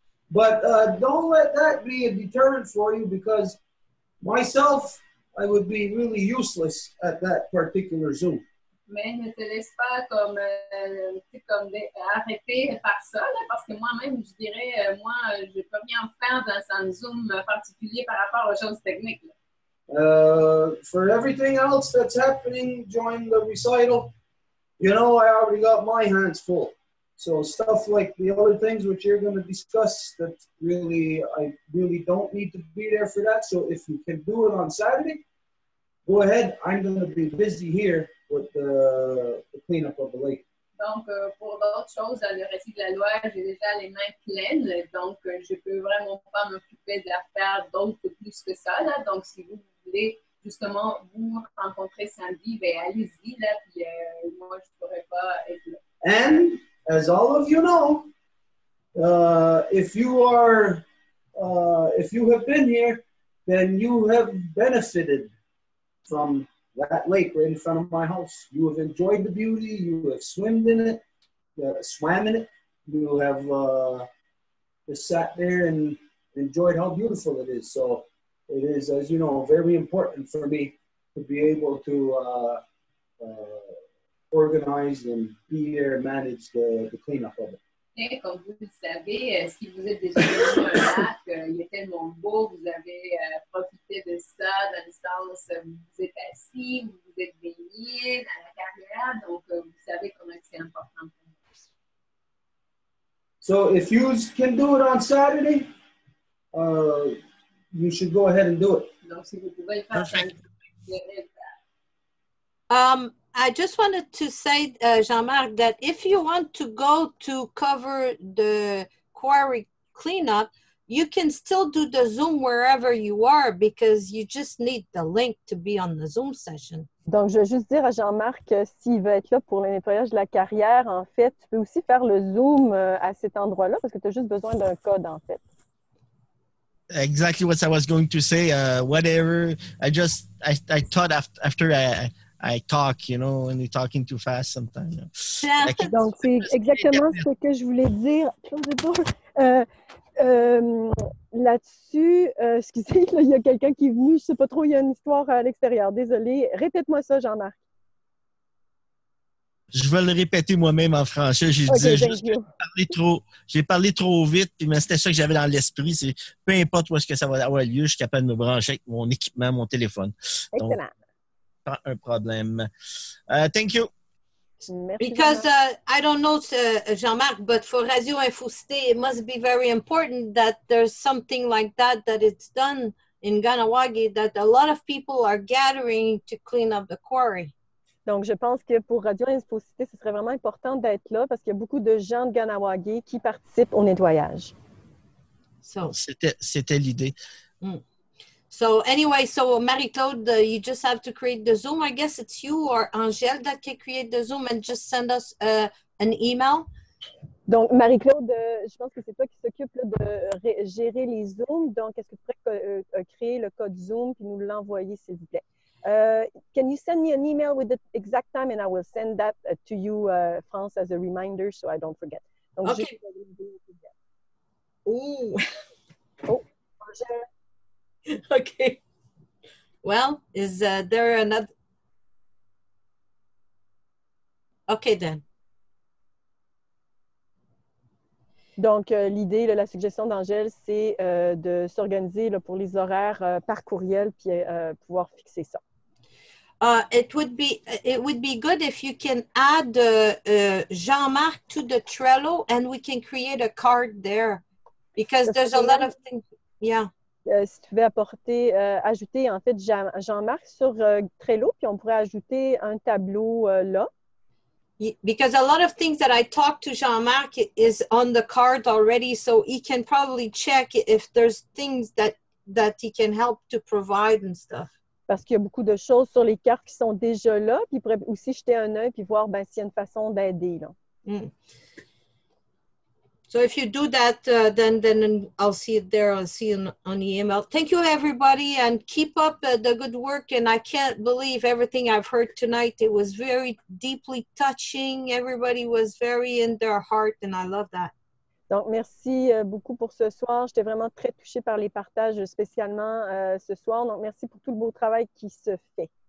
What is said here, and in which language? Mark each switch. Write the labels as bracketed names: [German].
[English] But don't let that be a deterrent for you because myself, I would be really useless at that particular Zoom. [French] Mais ne te laisse pas comme arrêter par ça, là, parce que moi-même, je dirais, moi, je peux rien faire dans un Zoom particulier par rapport aux choses techniques. [English] For everything else that's happening during the recital, you know, I already got my hands full. So stuff like the other things which you're going to discuss, that really, I really don't need to be there for that. So if you can do it on Saturday, go ahead. I'm going to be busy here with the cleanup of the lake. [French] Donc, pour d'autres choses, le récit de la loi, j'ai déjà les mains pleines. Donc, je peux vraiment pas m'occuper d'affaires d'autres plus que ça. Là. Donc, si vous voulez justement vous rencontrer samedi, ben allez-y. Là, puis, moi, je pourrais pas être là. [English] And as all of you know, if you have been here, then you have benefited from that lake right in front of my house. You have enjoyed the beauty. You have swam in it. You have just sat there and enjoyed how beautiful it is. So it is, as you know, very important for me to be able to organize and be there and manage the cleanup of it. [French] Et comme vous le savez, si vous êtes déjà venu sur un lac, il est tellement beau, vous avez profité de ça dans le sens où vous êtes assis, vous êtes baigné dans la carrière, donc vous savez comment c'est important pour vous. [English] So if you can do it on Saturday, you should go ahead and do it. [French] Donc si vous pouvez le faire, [English] I just wanted to say, Jean-Marc, that if you want to go to cover the quarry cleanup, you can still do the Zoom wherever you are because you just need the link to be on the Zoom session. [French] Donc, je veux juste dire à Jean-Marc, s'il veut être là pour le nettoyage de la carrière, en fait, tu peux aussi faire le Zoom à cet endroit-là parce que tu as juste besoin d'un code, en fait. [English] Exactly what I was going to say. I thought after I talk, you know, when you're talking too fast sometimes. You know. [French] Like, donc, c'est exactement ce que je voulais dire. [English] Close the door. [French] Là-dessus, excusez, là, il y a quelqu'un qui est venu. Je ne sais pas trop, il y a une histoire à l'extérieur. Désolé. Répète-moi ça, Jean-Marc. Je vais le répéter moi-même en français. Je disais juste que j'ai parlé trop vite, puis mais c'était ça que j'avais dans l'esprit. C'est peu importe où est-ce que ça va avoir lieu, je suis capable de me brancher avec mon équipement, mon téléphone. Excellent. Donc, Pas un problème. [English] Thank you. Because I don't know, Jean-Marc, but for Radio Info Cité, it must be very important that there's something like that, that it's done in Ganawagi, that a lot of people are gathering to clean up the quarry. [French] Donc, je pense que pour Radio Info Cité, ce serait vraiment important d'être là parce qu'il y a beaucoup de gens de Ganawagi qui participent au nettoyage. So. C'était l'idée. Mm. [English] So anyway, so Marie-Claude, you just have to create the Zoom. I guess it's you or Angèle that can create the Zoom and just send us an email. [French] Donc Marie-Claude, je pense que c'est toi qui s'occupe là, de gérer les Zooms. Donc est-ce que tu pourrais créer le code Zoom puis nous l'envoyer s'il vous plaît? [English] Can you send me an email with the exact time and I will send that to you, France, as a reminder so I don't forget. [French] Donc, okay. Ooh. Oh. Angèle. [English] Okay. Well, is there another? Okay then. [French] Donc l'idée, la suggestion d'Angèle, c'est de s'organiser là, pour les horaires par courriel puis pouvoir fixer ça. [English] It would be good if you can add Jean-Marc to the Trello and we can create a card there because there's a lot of things. Yeah. [French] Si tu veux apporter, ajouter en fait Jean-Marc sur Trello, puis on pourrait ajouter un tableau là. [English] Because a lot of things that I talked to Jean-Marc is on the card already, so he can probably check if there's things that he can help to provide and stuff. [French] Parce qu'il y a beaucoup de choses sur les cartes qui sont déjà là, puis il pourrait aussi jeter un œil puis voir ben, s'il y a une façon d'aider là. Mm. [English] So if you do that, then I'll see it there. I'll see you on the email. Thank you, everybody, and keep up the good work. And I can't believe everything I've heard tonight. It was very deeply touching. Everybody was very in their heart, and I love that. [French] Donc, merci beaucoup pour ce soir. J'étais vraiment très touchée par les partages, spécialement ce soir. Donc, merci pour tout le beau travail qui se fait.